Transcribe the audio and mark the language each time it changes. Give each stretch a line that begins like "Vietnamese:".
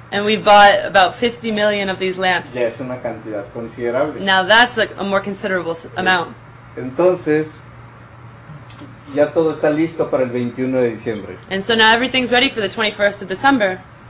English: And we bought about 50 million of these lamps.
Spanish: Ya es una cantidad considerable.
English: Now that's a more considerable amount.
Spanish: Entonces, ya todo está listo para el 21 de diciembre.
English: And so now everything's ready for the 21st of December.